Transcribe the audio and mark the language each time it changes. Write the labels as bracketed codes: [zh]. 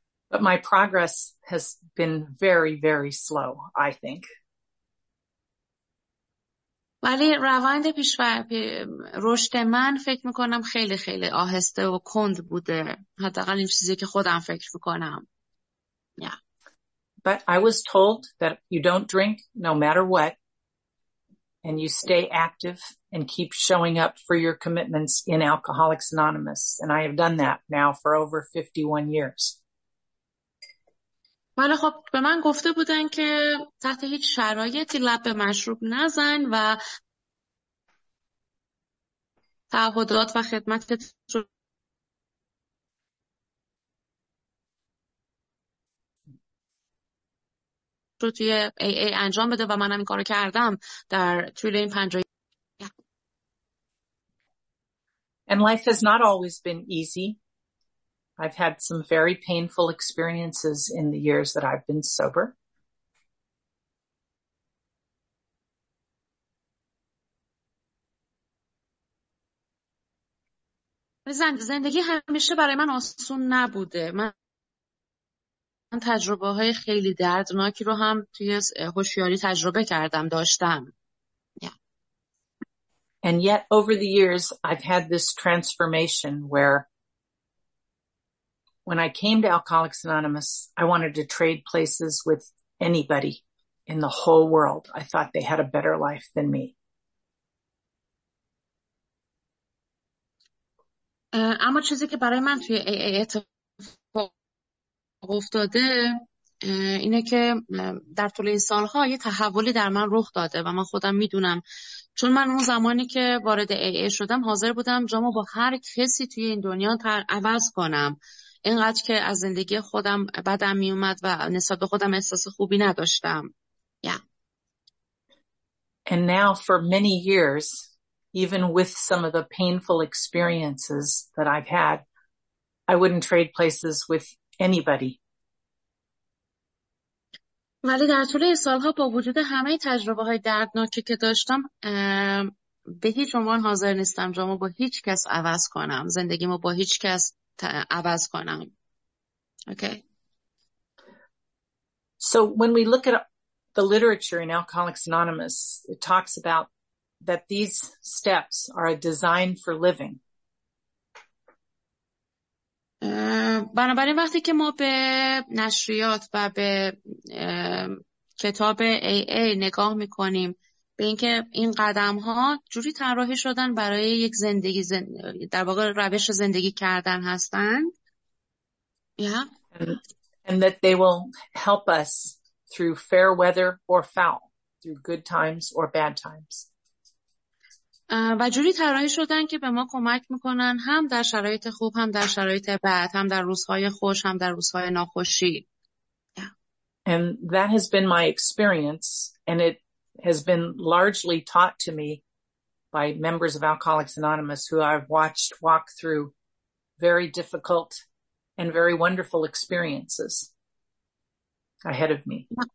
[en] But my progress has been very, very slow, I think. [fa] ولی روند رشد من فکر میکنم خیلی خیلی آهسته و کند بوده. حداقل این چیزی که خودم فکر میکنم. [en] Yeah. But I was told that you don't drink no matter what and you stay active and keep showing up for your commitments in Alcoholics Anonymous. And I have done that now for over 51 years. [fa] ولی خب به من گفته بودن که تحت هیچ شرایطی لب به مشروب نزن و تعهدات و خدمت رو توی AA انجام بده و منم این کارو کردم در طول این 50. [en] And life has not always been easy. I've had some very painful experiences in the years that I've been sober. [fa] زندگی همیشه برای من آسون نبوده. من تجربه های خیلی دردناکی رو هم توی هوشیاری تجربه کردم داشتم. [en] Yeah. And yet over the years I've had this transformation where when I came to Alcoholics Anonymous I wanted to trade places with anybody in the whole world. I thought they had a better life than me. [fa] اما چیزی که برای من توی AA اتفاق افتاده اینه که در طول این سالها یه تحولی در من رخ داده و من خودم میدونم، چون من اون زمانی که وارد AA شدم حاضر بودم جامو با هر کسی توی این دنیا عوض کنم، اینقدر که از زندگی خودم بدم میومد و نسبت به خودم احساس خوبی نداشتم. [en] Yeah. And now for many years, even with some of the painful experiences that I've had, I wouldn't trade places with anybody. [fa] ولی در طول سالها با وجود همه تجربه های دردناکی که داشتم به هیچ عنوان حاضر نیستم جامو با هیچ کس عوض کنم، زندگیمو با هیچ کس عوض کنم. [en] Okay. So when we look at the literature in Alcoholics Anonymous, it talks about that these steps are a design for living. [fa] بنابراین وقتی که ما به نشریات و به کتاب AA نگاه میکنیم، به اینکه این قدم ها جوری طراحی شدن برای یک زندگی در واقع روش زندگی کردن هستند. [en] Yeah. And that they will help us through fair weather or foul, through good times or bad times. [fa] و جوری طراحی شدن که به ما کمک میکنن هم در شرایط خوب هم در شرایط بد، هم در روزهای خوش هم در روزهای ناخوشی. [en] And that has been my experience and it has been largely taught to me by members of Alcoholics Anonymous who I've watched walk through very difficult and very wonderful experiences ahead of me.